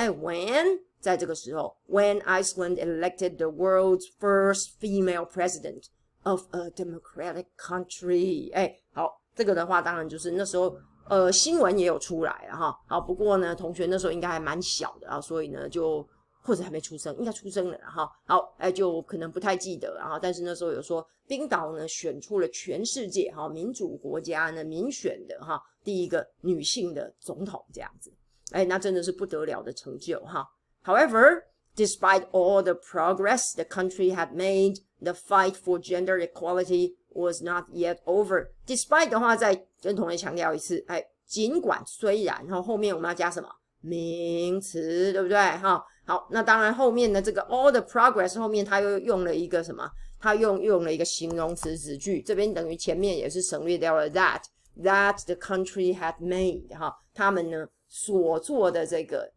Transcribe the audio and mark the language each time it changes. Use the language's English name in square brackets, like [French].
[Chinese] When 在这个时候 [English] When Iceland elected the world's first female president of a democratic country， [Chinese] 好，这个的话当然就是那时候新闻也有出来了，好，不过呢同学那时候应该还蛮小的，所以呢就或者还没出生，应该出生了哈。好，就可能不太记得。然后，但是那时候有说，冰岛呢选出了全世界哈民主国家呢民选的哈第一个女性的总统这样子。那真的是不得了的成就哈。 [English] However, despite all the progress the country had made, the fight for gender equality was not yet over. [Chinese] Despite 的话，再跟同学强调一次，尽管虽然，然后后面我们要加什么名词，对不对哈？好，那当然后面的这个 [English] all the progress [Chinese] 后面他又用了一个什么，他用了一个形容词子句，这边等于前面也是省略掉了 [English] that the country had made， [Chinese] 他们呢所做的这个